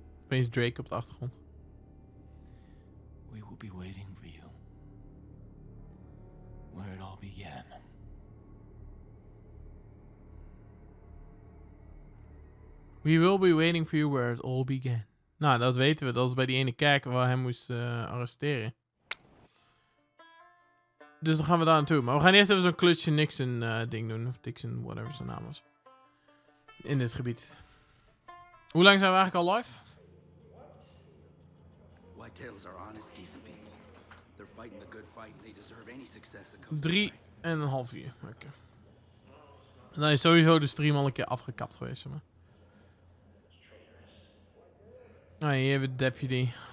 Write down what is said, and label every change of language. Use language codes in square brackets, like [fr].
[nl] Opeens Drake op de achtergrond. [en] We will be waiting for you. Where it all began. We will be waiting for you where it all began. [nl] Nou, dat weten we. Dat was bij die ene kerk waar hij moest arresteren. Dus dan gaan we daar naartoe. Maar we gaan eerst even zo'n klutje Nixon ding doen. Of Dixon, whatever zijn naam was. In dit gebied. Hoe lang zijn we eigenlijk al live? [en] Whitetails are honest, decent people. They're fighting the good fight and they deserve any success that comes. [nl] 3.5 uur. Oké. Okay. Dan is sowieso de stream al een keer afgekapt geweest, zeg maar. Ah, hier hebben we deputy.